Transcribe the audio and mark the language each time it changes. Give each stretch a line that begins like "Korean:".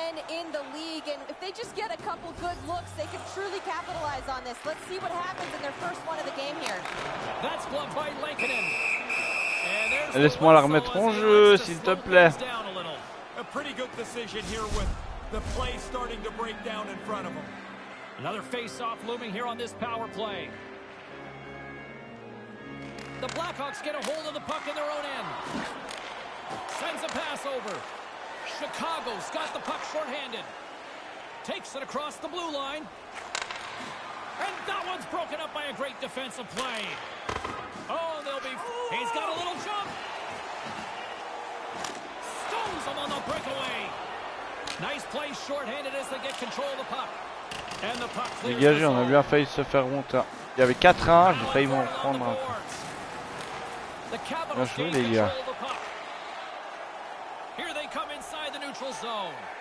English: In the league, and if they just get a couple good looks, they can truly capitalize on this. Let's see what happens in their first one of the game here. That's blocked by Lankinen.
French: Laisse-moi la remettre en jeu, s'il te plaît.
English: A pretty good decision here with the play starting to break down in front of them. Another face-off looming here on this power play. The Blackhawks get a hold of the puck in their own end. Sends a pass over. Chicago's got the puck shorthanded. Takes it across the blue line. And that one's broken up by a great defensive play. Oh, they'll be... He's got a little jump. Stones him on the breakaway. Nice play shorthanded as they get control of the puck. And the puck clears.
French: Dégagé, on a bien failli se faire monter. Il y avait 4-1, j'ai failli m'en prendre un coup.
English: The Capitals gain control of the puck. Here they come inside the neutral zone.